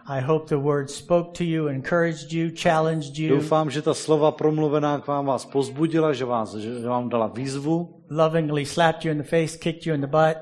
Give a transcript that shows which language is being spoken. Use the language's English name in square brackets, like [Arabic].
[English] I hope the word spoke to you, encouraged you, challenged you. [Czech] Doufám, že ta slova promluvená k vám vás pozbudila, že vám dala výzvu. [English] Lovingly slapped you in the face, kicked you in the butt.